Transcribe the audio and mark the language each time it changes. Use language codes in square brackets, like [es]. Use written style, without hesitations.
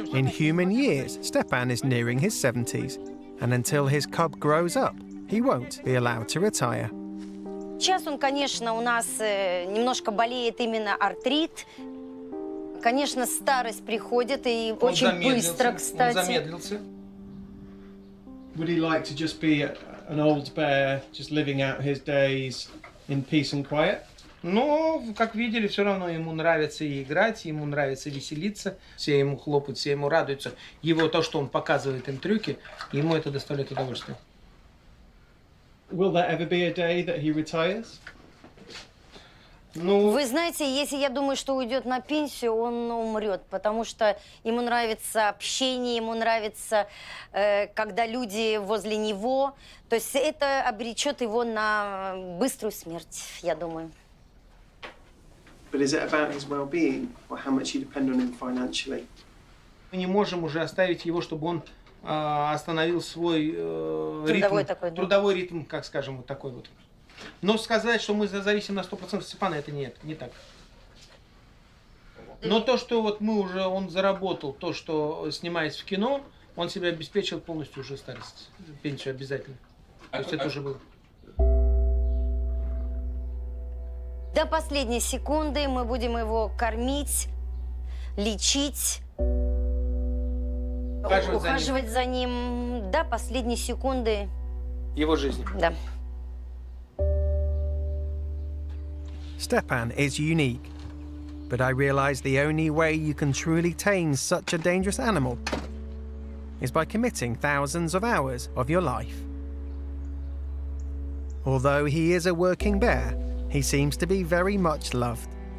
[en] In human years, Stepan is nearing his 70s, and until his cub grows up, he won't be allowed to retire. [ru] Сейчас он, конечно, у нас немножко болеет именно артрит. Конечно, старость приходит, и очень быстро, кстати. Он замедлился. [en] Would he like to just be an old bear, just living out his days in peace and quiet? [ru] Но, как видели, все равно ему нравится играть, ему нравится веселиться. Все ему хлопают, все ему радуются. Его то, что он показывает им трюки, ему это доставляет удовольствие. [en] Will there ever be a day that he retires? [ru] Ну, вы знаете, если я думаю, что уйдет на пенсию, он умрет, потому что ему нравится общение, ему нравится, когда люди возле него. То есть это обречет его на быструю смерть, я думаю. [en] But is it about his well-being or how much you depend on him financially? [ru] Мы не можем уже оставить его, чтобы он остановил свой трудовой ритм, такой, да? Трудовой ритм, как скажем, вот такой вот. Но сказать, что мы зависим на 100% от Степана, это нет, не так. Но то, что вот мы уже, он заработал, то, что снимаясь в кино, он себе обеспечил полностью уже старость, пенсию обязательно. То есть это уже было. До последней секунды мы будем его кормить, лечить, ухаживать за ним до последней секунды. Его жизни. Да. [en] Stepan is unique, but I realize the only way you can truly tame such a dangerous animal is by committing thousands of hours of your life. Although he is a working bear, he seems to be very much loved.